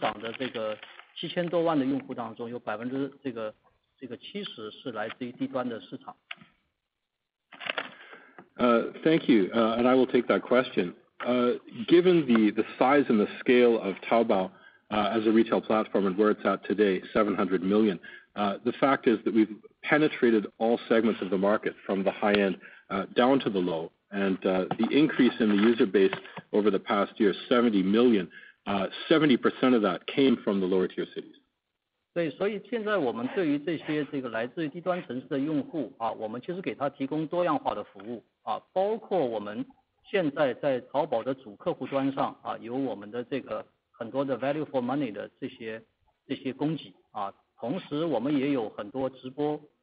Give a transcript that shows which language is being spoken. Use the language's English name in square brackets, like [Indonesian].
[Chinese] 这个应该说是最广泛的人群，从最高端到最低端都有，去年我们整个的中国零售市场的增长的这个7000多万的用户当中，有 70% 是来自于低端的市场。 [English] Thank you, and I will take that question. Given the size and the scale of Taobao as a retail platform and where it's at today, 700 million, the fact is that we've penetrated all segments of the market from the high end down to the low, and the increase in the user base over the past year, 70 million, 70% of that came from the lower tier cities. [Chinese] 对，所以现在我们对于这些这个来自于低端城市的用户，我们其实给他提供多样化的服务，包括我们现在在淘宝的主客户端上，有我们的这个很多的 [English] value for money [Chinese] 的这些供给，同时我们也有很多直播。